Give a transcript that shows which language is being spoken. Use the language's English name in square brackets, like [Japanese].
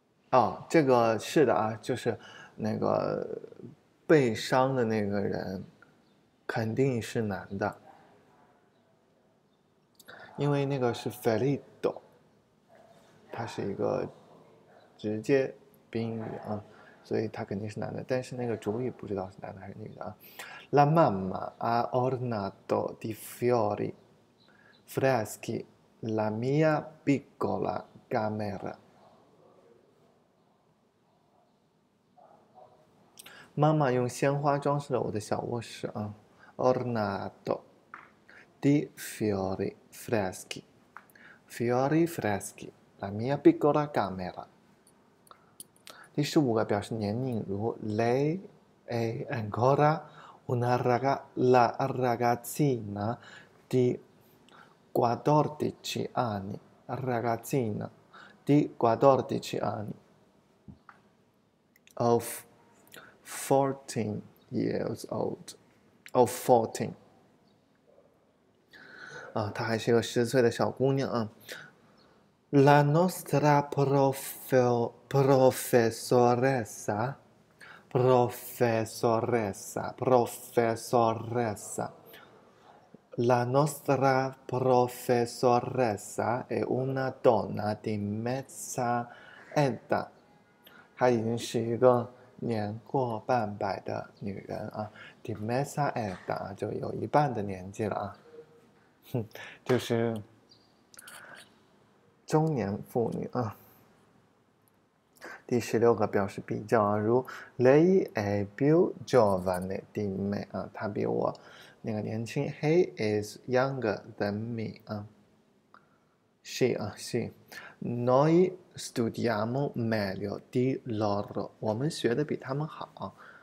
[Chinese] 哦，这个是的啊，就是那个被伤的那个人，肯定是男的，因为那个是 ferito，它是一个直接宾语啊，所以他肯定是男的。但是那个主语不知道是男的还是女的啊。 [Italian] La mamma ha ornato di fiori freschi la mia piccola camera。 [Chinese] 妈妈用鲜花装饰了我的小卧室啊， [Italian] ornato di fiori freschi，fiori freschi la mia piccola camera。 [Chinese] 第15个表示年龄，如 [Italian] lei è ancora una la ragazzina di 14 anni，ragazzina di 14 anni [English] of 14 years old, of 14. [Chinese] 啊，她还是个10岁的小姑娘啊。 [Italian] La nostra professoressa, la nostra professoressa è una donna di mezza età. [Chinese] 她已经是一个年过半百的女人啊， [Italian] di mezza età [Chinese] 就有一半的年纪了啊，哼，就是中年妇女啊。第16个表示比较啊，如 [Italian] lei è più giovane di me [Chinese] 啊，她比我那个年轻， [English] he is younger than me [Chinese] 啊，she 啊，she。 [Italian] Noi studiamo meglio di loro， [Chinese] 我们学的比他们好。